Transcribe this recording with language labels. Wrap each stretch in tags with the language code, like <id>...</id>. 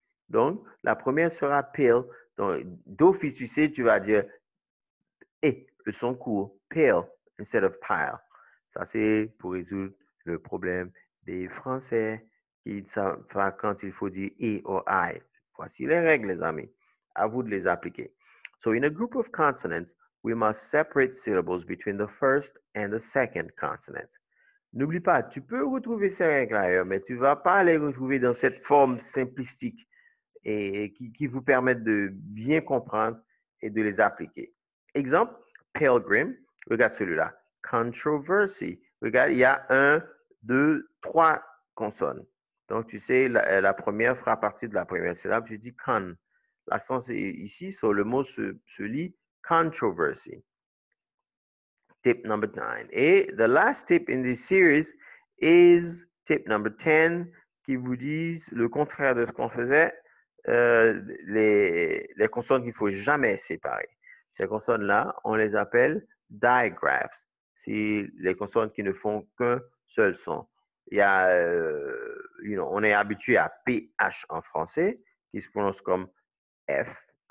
<fr>Donc, la première sera pill. Donc, d'office, tu sais, tu vas dire eh, le son court, pill,</fr> <en>instead of pile.</en> <fr>Ça, c'est pour résoudre le problème des Français qui ne savent pas quand il faut dire E ou I. Voici les règles, les amis. À vous de les appliquer.</fr> <en>So, in a group of consonants, we must separate syllables between the first and the second consonant.</en> <fr>N'oublie pas, tu peux retrouver ces règles ailleurs, mais tu ne vas pas les retrouver dans cette forme simplistique et qui vous permet de bien comprendre et de les appliquer. Exemple, pilgrim, regarde celui-là. Controversy, regarde, il y a un, deux, trois consonnes. Donc, tu sais, la première fera partie de la première syllabe, tu dis con. L'accent est ici, sur le mot se lit controversy.</fr> <en>Tip number nine. Et the last tip in this series is tip number 10,</en> <fr>qui vous disent le contraire de ce qu'on faisait, les consonnes qu'il faut jamais séparer. Ces consonnes-là, on les appelle digraphs. C'est les consonnes qui ne font qu'un seul son. Il y a, on est habitué à PH en français, qui se prononce comme F.</fr>